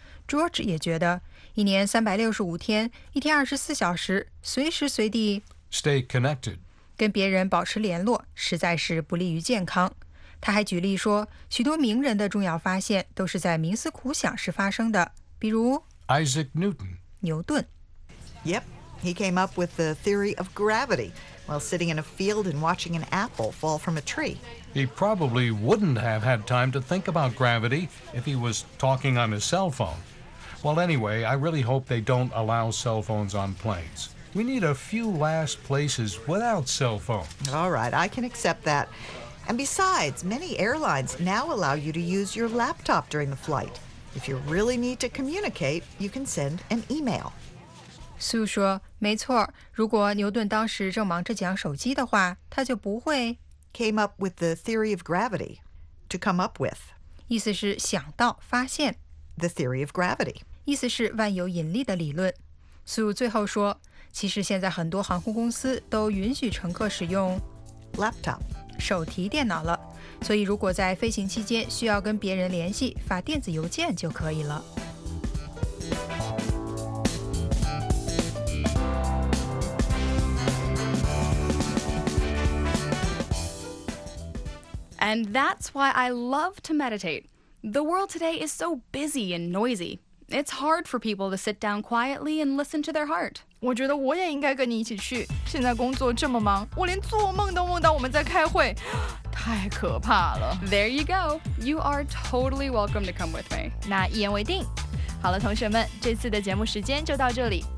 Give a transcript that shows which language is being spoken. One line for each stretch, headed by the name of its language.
Chinese: George 也觉得一年365天，一天24小时，随时随地
English: stay connected.
Chinese: 跟别人保持联络实在是不利于健康。他还举例说，许多名人的重要发现都是在冥思苦想时发生的，比如
English: Isaac Newton
Chinese: 牛顿。
English: Yep, he came up with the theory of gravity while sitting in a field and watching an apple fall from a tree. He probably wouldn't have had time to think about gravity if he was talking on his cell phone. Well, anyway, I really hope they don't allow cell phones on planes. We need a few last places without cell phones. All right, I can accept that. And besides, many airlines now allow you to use your laptop during the flight. If you really need to communicate, you can send an email.
Chinese: Sue 说，没错，如果牛顿当时正忙着讲手机的话，他就不会
English: came up with the theory of gravity to come up with.
Chinese: 意思是想到发现
English: the theory of gravity.
Chinese: 意思是万有引力的理论。 Sue 最后说。其实现在很多航空公司都允许乘客使用
English: laptop
Chinese: 手提电脑了，所以如果在飞行期间需要跟别人联系，发电子邮件就可以了。
English: And that's why I love to meditate. The world today is so busy and noisy. It's hard for people to sit down quietly and listen to their heart.
Chinese: 我觉得我也应该跟你一起去，现在工作这么忙，我连做梦都梦到我们在开会，太可怕了。
English: There you go, you are totally welcome to come with me.
Chinese: 那一言为定。好了，同学们，这次的节目时间就到这里。